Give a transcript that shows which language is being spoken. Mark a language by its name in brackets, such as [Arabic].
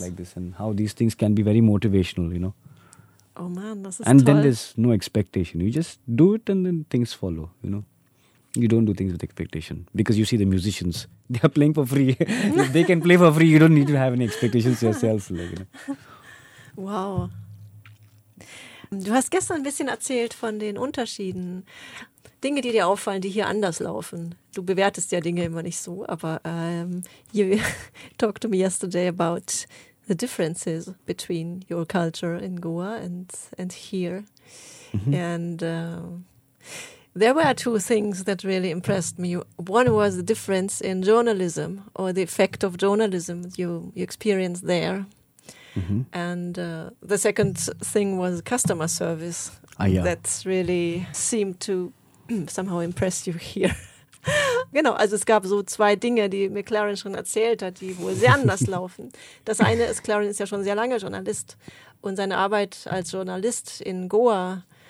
[English] Like this, and how these things can be very motivational, you know. Oh man, that's and [German] toll. [English] Then there's no expectation. You just do it and then things follow, you know. You don't do things with expectation because you see the musicians, they are playing for free. If they can play for free, you don't need to have any expectations yourself. Like, you know. Wow. [German] Du hast gestern ein bisschen erzählt von den Unterschieden. Dinge, die dir auffallen, die hier anders laufen. Du bewertest ja Dinge immer nicht so, aber [English] you talked to me yesterday about the differences between your culture in Goa and here. Mm-hmm. And there were two things that really impressed me. One was the difference in journalism or the effect of journalism you experienced there. Mm-hmm. And the second thing was customer service. That really seemed to somehow impress you here. [German] Genau, also es gab so zwei Dinge, die mir Clarence schon erzählt hat, die wohl sehr anders laufen. Das eine ist, Clarence ist ja schon sehr lange Journalist und seine Arbeit als Journalist in Goa.